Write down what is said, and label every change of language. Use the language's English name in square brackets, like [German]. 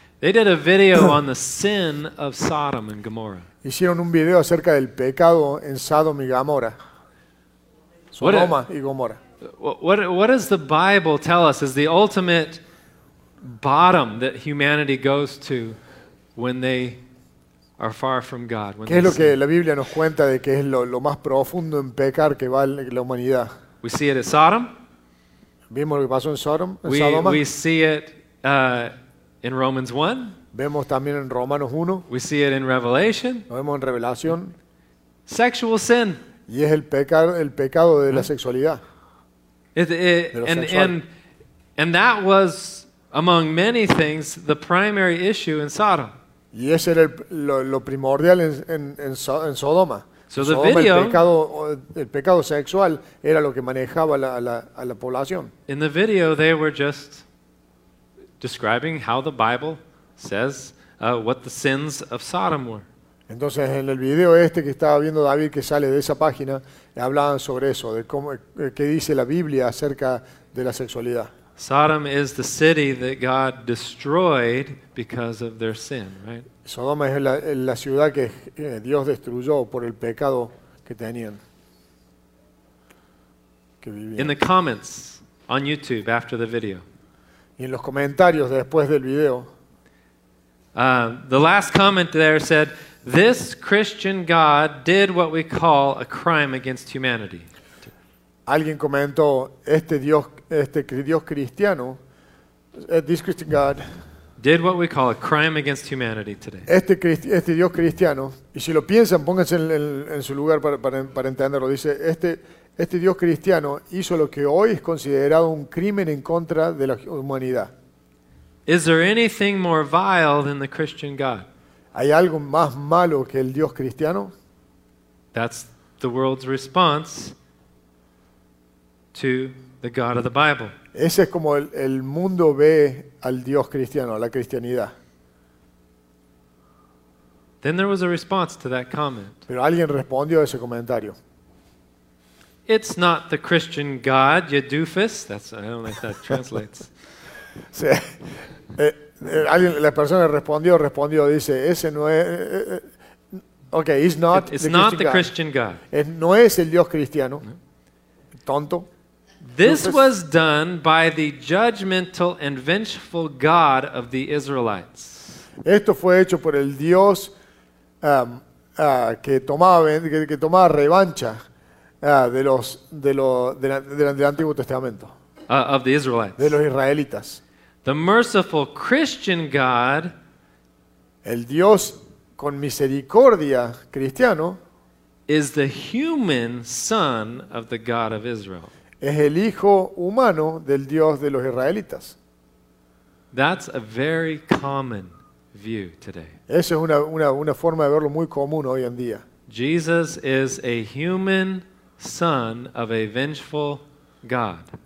[English] They did a video on the sin of Sodom and Gomorrah. [Spanish] Hicieron un video acerca del pecado en Sodom y Gomorra. Sodoma y Gomorra. [English] What does the Bible tell us is the ultimate bottom that humanity goes to when they are far from God? [Spanish] ¿Qué es lo que la Biblia nos cuenta de que es lo más profundo en pecar que va la humanidad? [English] We see it in Sodom. [Spanish] Vimos lo que pasó en Sodom. [English] We see it in Romans 1. [Spanish] Vemos también en Romanos 1. [English] We see it in Revelation. [Spanish] Lo vemos en Revelación. [English] Sexual sin. [Spanish] Y es el pecado de la sexualidad. [English] And that was among many things the primary issue in Sodom. [Spanish] Y ese era lo primordial en Sodoma. [English] So the video, [Spanish] el pecado sexual era lo que manejaba a la población. [English] In the video they were just describing how the Bible says what the sins of Sodom were. [Spanish] Entonces en el video este que estaba viendo David que sale de esa página hablaban sobre eso, de cómo qué dice la Biblia acerca de la sexualidad. [English] Sodom is the city that God destroyed because of their sin, right? [Spanish] Sodoma es la ciudad que Dios destruyó por el pecado que tenían. Que vivían. [English] In the comments on YouTube after the video. [Spanish] Y en los comentarios después del video. [English] The last comment there said, "This Christian God did what we call a crime against humanity." [Spanish] Alguien comentó, [English] "This Christian God did what we call a crime against humanity today." [Spanish] Este Dios cristiano, y si lo piensan, pónganse en su lugar para entenderlo. Dice, este Dios cristiano hizo lo que hoy es considerado un crimen en contra de la humanidad. [English] Is there anything more vile than the Christian God? [Spanish] ¿Hay algo más malo que el Dios cristiano? [English] That's the world's response to the God of the Bible. [Spanish] Ese es como el mundo ve al Dios cristiano, a la cristianidad. [English] Then there was a response to that comment. [Spanish] Pero alguien respondió a ese comentario. [English] It's not the Christian God, you doofus. That's, I don't think that translates. [Spanish] Sí. La persona respondió, dice, ese no es... [English] Okay, it's not the Christian God. [Spanish] No es el Dios cristiano. Tonto. [English] This was done by the judgmental and vengeful God of the Israelites. [Spanish] Esto fue hecho por el Dios que tomaba revancha del Antiguo Testamento. [English] Of the Israelites. [Spanish] De los israelitas. [English] The merciful Christian God, [Spanish] el Dios con misericordia cristiano, [English] is the human son of the God of Israel. [Spanish] Es el hijo humano del Dios de los israelitas. [English] That's a very common view today. [Spanish] Esa es una forma de verlo muy común hoy en día. [English] Jesus is a human son of a vengeful God.